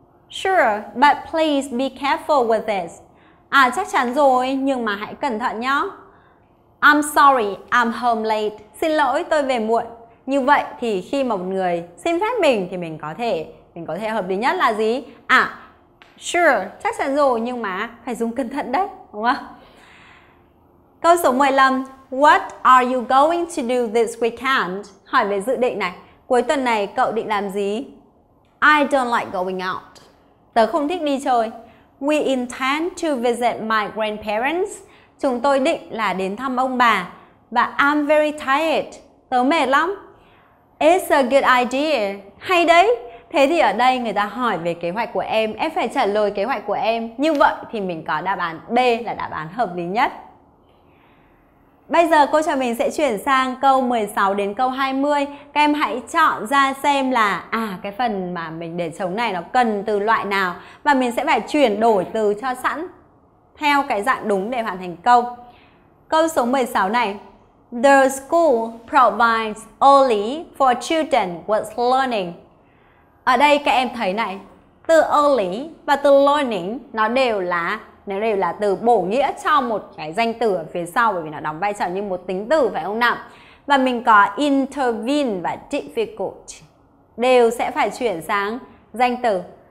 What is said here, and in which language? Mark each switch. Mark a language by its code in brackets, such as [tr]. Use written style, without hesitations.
[en] Sure, but please be careful with this. [vi] Chắc chắn rồi, nhưng mà hãy cẩn thận nhé. [en] I'm sorry, I'm home late. [vi] Xin lỗi, tôi về muộn. Như vậy thì khi mà một người xin phép mình thì mình có thể hợp lý nhất là gì? Sure, chắc chắn rồi, nhưng mà phải dùng cẩn thận đấy, đúng không? Câu số 15. [en] What are you going to do this weekend? [vi] Hỏi về dự định này. Cuối tuần này cậu định làm gì? [en] I don't like going out. [vi] Tớ không thích đi chơi. [en] We intend to visit my grandparents. [vi] Chúng tôi định là đến thăm ông bà. [en] Và I'm very tired. [vi] Tớ mệt lắm. [en] It's a good idea. [vi] Hay đấy. Thế thì ở đây người ta hỏi về kế hoạch của em. Em phải trả lời kế hoạch của em. Như vậy thì mình có đáp án B là đáp án hợp lý nhất. Bây giờ cô cho mình sẽ chuyển sang câu 16 đến câu 20. Các em hãy chọn ra xem là cái phần mà mình để trống này nó cần từ loại nào, và mình sẽ phải chuyển đổi từ cho sẵn theo cái dạng đúng để hoàn thành câu. Câu số 16 này. [en] The school provides early for children with learning. [vi] Ở đây các em thấy này, từ early và từ learning nó đều là từ bổ nghĩa cho một cái danh từ ở phía sau, bởi vì nó đóng vai trò như một tính từ, phải không nào? Và mình có intervene và difficult đều sẽ phải chuyển sang danh từ.